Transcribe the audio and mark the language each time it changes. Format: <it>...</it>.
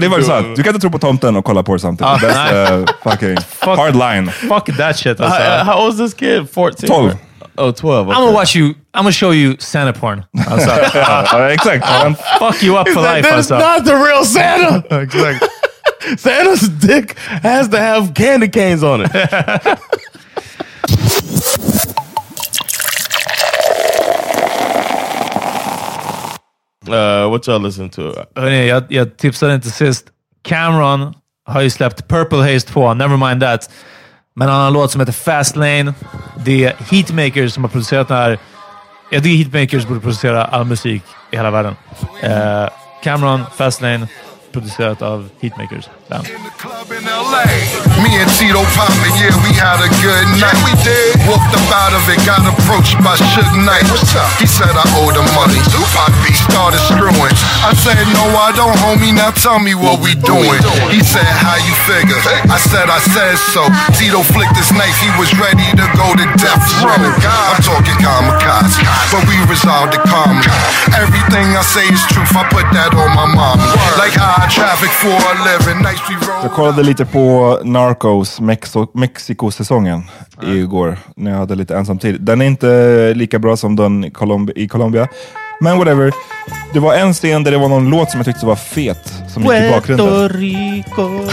<sv>Det var så att du kan inte tro på tomten och kolla porr samtidigt.</sv> <en>That's the fucking hard line. Fuck that shit. How old is this kid? 14? 12. Oh, 12. Okay. I'm gonna watch you. I'm gonna show you Santa porn. I'm sorry. Exactly. Fuck you up for life. That's not the real Santa. Exactly. Santa's dick has to have candy canes on it. what y'all listen to?</en> <sv>Hörrni, jag tipsade inte sist. Cameron har ju släppt Purple Haze 2.</sv> <en>Never mind that.</en> <sv>Men han har en låt som heter Fast Lane. Det är Heatmakers som har producerat den här. Jag tycker Heatmakers borde producera all musik i hela världen. Cameron, Fast Lane, producerat av Heatmakers.</sv> <en>Damn. In the club in LA, me and Tito Poppin, yeah, we had a good night. We did. Walked up out of it, got approached by Suge Knight. What's up? He said I owe the money. Poppy started screwing. I said, no, I don't, homie. Now tell me what we doing. He said, how you figure? I said so. Tito flicked his knife. He was ready to go to death row. I'm talking kamikaze, but we resolved it calmly. Everything I say is truth. I put that on my mom. Like I traffic for a living.</en> <sv>Jag kollade lite på Narcos Mexico-säsongen igår när jag hade lite ensam tid. Den är inte lika bra som den i Colombia. Men whatever. Det var en scen där det var någon låt som jag tyckte var fet som gick i bakgrunden. Puerto Rico.</sv>